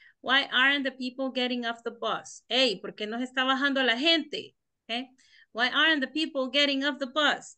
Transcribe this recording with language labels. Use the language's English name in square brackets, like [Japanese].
[English] Why aren't the people getting off the bus? [Spanish] Hey, ¿por qué no se está bajando la gente? Okay. [English] Why aren't the people getting off the bus?